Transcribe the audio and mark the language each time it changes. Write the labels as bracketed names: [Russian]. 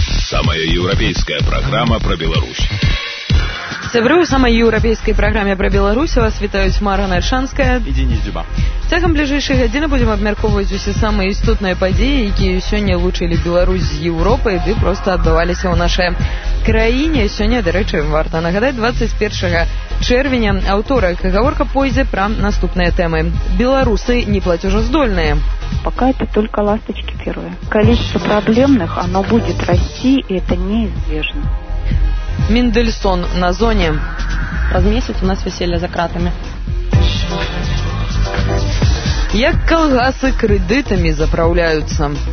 [Russian] Самая европейская программа про Беларусь. [Belarusian] Сябры, у самой европейской программе про Беларусь вас вітаюць Мара Нальшанская и Денис Дзюба. Цягам бліжэйшай гадзіны будзем абмяркоўваць усе самыя істотныя падзеі, якія сёння лучылі Беларусь з Еўропай, ды проста адбываліся ў нашай краіне. Сёння, дарэчы, варта нагадаць, 21 чэрвеня, аўторак, гаворка пойдзе пра наступныя тэмы. Беларусы не плацежаздольныя. [Russian] Пока это только ласточки первые. Количество проблемных, оно будет расти, и это неизбежно. Мендельсон на зоне. Раз месяц у нас веселье за кратами. [Belarusian] Як колгасы кредитами заправляются?